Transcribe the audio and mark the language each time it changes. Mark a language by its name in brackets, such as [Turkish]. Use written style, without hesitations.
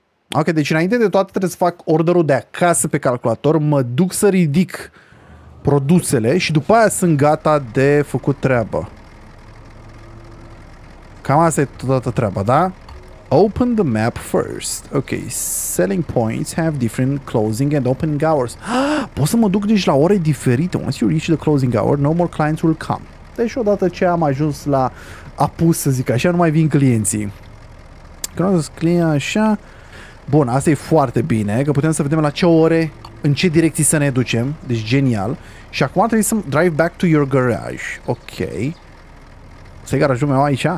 [Romanian] Ok, deci înainte de toate trebuie să fac orderul de acasă pe calculator, mă duc să ridic produsele și după aia sunt gata de făcut treabă. Cam asta e toată treaba, da? [English] Open the map first. Ok, selling points have different closing and opening hours. [Romanian] Pot să mă duc deci la ore diferite. [English] Once you reach the closing hour, no more clients will come. [Romanian] Deci odată ce am ajuns la apus, să zic așa, nu mai vin clienții. Când am zis client așa... Bun, asta e foarte bine, că putem să vedem la ce ore, în ce direcții să ne ducem. Deci, genial. Și acum trebuie să [English] drive back to your garage. [Romanian] Ok. Să-i garajul meu aici?